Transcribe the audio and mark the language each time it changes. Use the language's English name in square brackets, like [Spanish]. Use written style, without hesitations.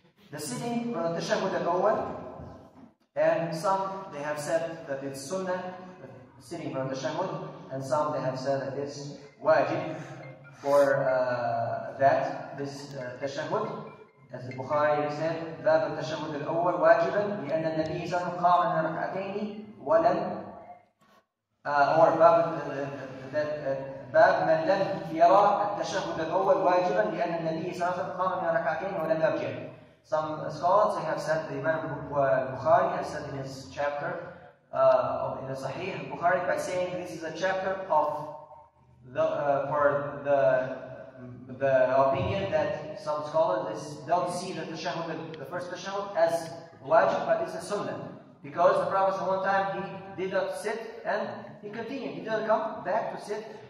[English] The sitting for the tashahud at Awwal, and some they have said that it's sunnah, the sitting for the tashahud, and some they have said that it's wajib for that, this tashahud. As the Bukhari said, that tashahud at Awwal wajib, [Arabic] لأن النبي صلى الله عليه وسلم قام ركعتين ولم [English] or باب that. [Arabic] باب من لم يرى التشهد الأول واجبا لأن النبي صلى الله عليه وسلم قام من ركعتين ولم يرجع. [English] Some scholars have said the Imam Bukhari has said in his chapter in the Sahih Bukhari by saying this is a chapter of the for the opinion that some scholars don't see the tashahud, the first tashahud, as wajib, but it's a sunnah, because the Prophet one time he did not sit and he continued, he didn't come back to sit.